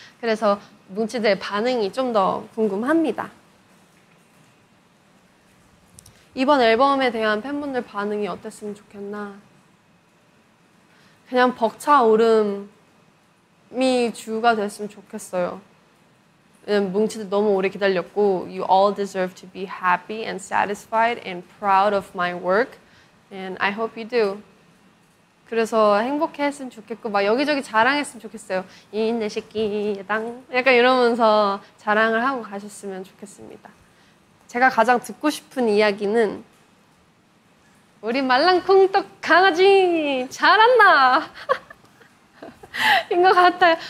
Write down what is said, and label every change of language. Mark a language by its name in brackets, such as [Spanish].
[Korean] 그래서 뭉치들의 반응이 좀 더 궁금합니다. 이번 앨범에 대한 팬분들 반응이 어땠으면 좋겠나? 그냥 벅차오름이 주가 됐으면 좋겠어요. 뭉치들 너무 오래 기다렸고 [English] You all deserve to be happy and satisfied and proud of my work and I hope you do. [Korean] 그래서 행복해 했으면 좋겠고 막 여기저기 자랑했으면 좋겠어요. 이 내 새끼당 약간 이러면서 자랑을 하고 가셨으면 좋겠습니다. 제가 가장 듣고 싶은 이야기는 우리 말랑콩떡 강아지 잘한다 인 것 같아요.